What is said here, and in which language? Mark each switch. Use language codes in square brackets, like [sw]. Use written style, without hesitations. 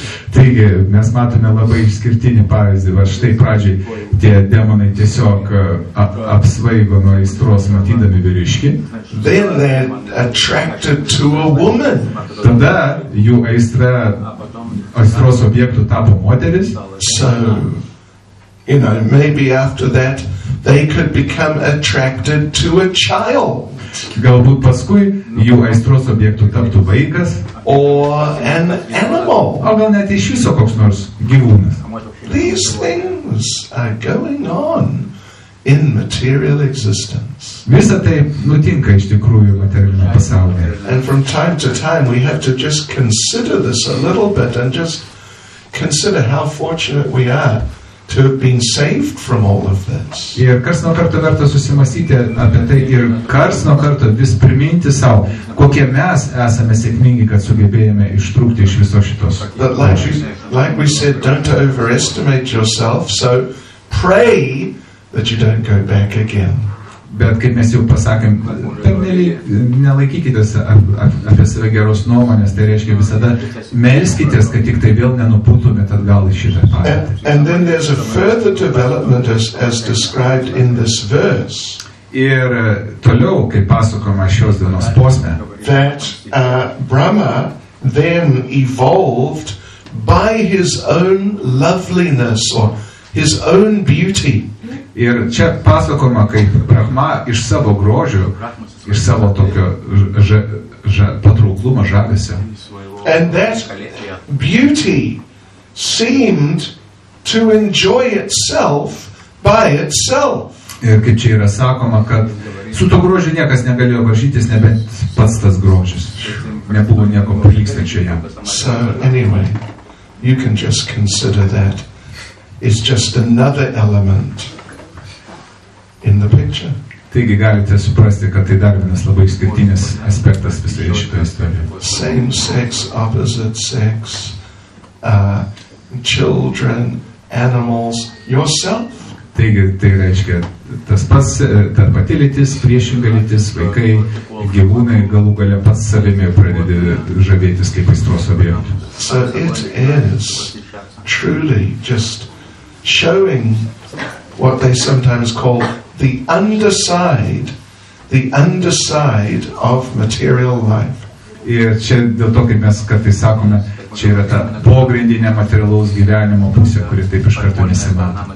[lt] Taigi, mes matome labai išskirtinį pavyzdį, va štai pradžiai tie demonai tiesiog apsvaigo nuo aistros matydami vyriškį. [en] Then they're attracted to a woman. [lt] Tada jų aistros objektų tapo moteris. [en] So, You know, maybe after that they could become attracted to a child. [lt] Galbūt paskui jų aistros objektu taptų vaikas. [en] Or an animal. [lt] O gal net iš viso koks nors gyvūnas. [en] These things are going on in material existence. [lt] Visa tai nutinka iš tikrųjų materialiame pasaulyje. [en] And from time to time we have to just consider this a little bit and just consider how fortunate we are to have been saved from all of this. [lt] Ir kas nuo karto verta susimąstyti apie tai ir kas nuo karto vis priminti sau, kokie mes esame sėkmingi, kad sugebėjome ištrūkti iš viso šitos. [en] But like we said, don't overestimate yourself, so pray that you don't go back again. [lt] Bet kaip mes jau pasakėm, nelaikykite apie save geros nuomonės, tai reiškia visada melskitės, kad tik tai vėl nenupūtumėt atgal į šitą patį. [en] And then there's a further development as described in this verse. [lt] Ir toliau, kaip pasakoma šios dienos posme, [en] that Brahma then evolved by his own loveliness or his own beauty. [lt] Ir čia pasakoma, kaip Brahma iš savo grožio, iš savo tokio patrauklumo žavesio. [en] And that beauty seemed to enjoy itself by itself. [lt] Ir kaip čia yra sakoma, kad su to grožiu niekas negalėjo varžytis, nebent pats tas grožis. Nebuvo nieko prilygstančio jam. [en] So anyway, you can just consider that it's just another element in the picture. [lt] Taigi galite suprasti, kad tai dar vienas labai išskirtinis aspektas visoje šitoje istorijoje. [en] Same sex, opposite sex, children, animals, yourself. [lt] Taigi tai reiškia tas pats, ta pati lytis, priešinga lytis, vaikai, gyvūnai, galų gale pats savimi pradedi žavėtis kaip aistros objektu. [en] So it is truly just showing what they sometimes call the underside of material life. [lt] Ir čia dėl to, kaip mes kartais sakome, čia yra ta pogrindinė materialaus gyvenimo pusė, kuri taip iš karto nesimato.